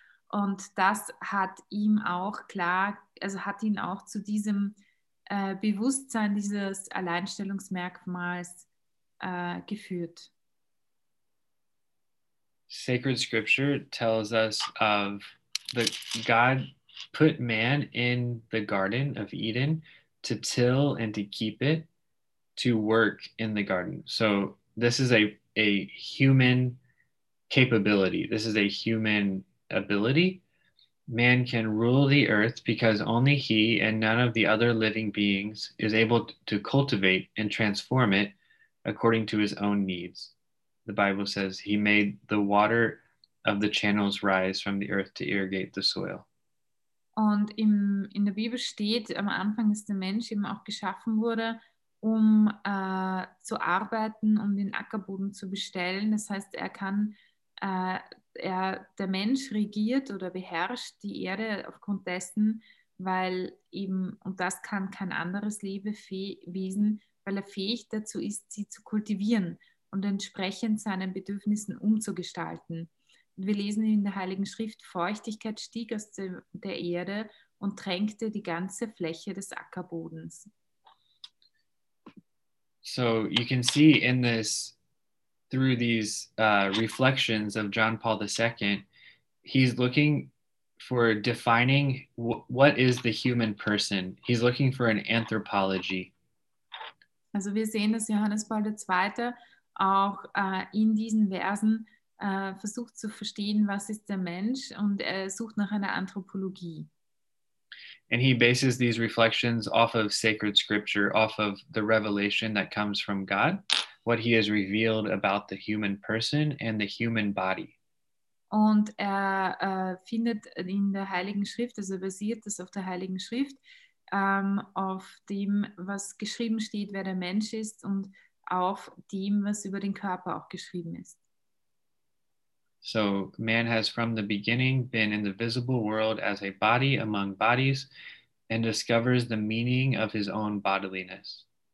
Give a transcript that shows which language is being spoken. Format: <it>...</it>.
<de>Und das hat ihm auch hat ihn auch zu diesem Bewusstsein dieses Alleinstellungsmerkmals geführt.</de> <en>Sacred Scripture tells us of the God put man in the Garden of Eden to till and to keep it, to work in the garden. So this is a human capability. This is a human ability. Man can rule the earth because only he and none of the other living beings is able to cultivate and transform it according to his own needs. The Bible says he made the water of the channels rise from the earth to irrigate the soil.</en> <de>Und in der Bibel steht am Anfang, dass der Mensch eben auch geschaffen wurde, um zu arbeiten, um den Ackerboden zu bestellen. Das heißt, der Mensch regiert oder beherrscht die Erde aufgrund dessen, weil eben, und das kann kein anderes Lebewesen, weil er fähig dazu ist, sie zu kultivieren und entsprechend seinen Bedürfnissen umzugestalten. Wir lesen in der Heiligen Schrift, Feuchtigkeit stieg aus der Erde und tränkte die ganze Fläche des Ackerbodens.</de> <en>So you can see in this, through these reflections of John Paul II, he's looking for defining what is the human person. He's looking for an anthropology.</en> <de>Also wir sehen, dass Johannes Paul II. Auch in diesen Versen versucht zu verstehen, was ist der Mensch, und er sucht nach einer Anthropologie.</de> <en>And he bases these reflections off of sacred scripture, off of the revelation that comes from God, what he has revealed about the human person and the human body.</en> <de>Und er findet in der Heiligen Schrift, also basiert das auf der Heiligen Schrift, auf dem, was geschrieben steht, wer der Mensch ist, und auf dem, was über den Körper auch geschrieben ist.</de> <en>So man has from the beginning been in the visible world as a body among bodies and discovers the meaning of his own bodiliness.</en>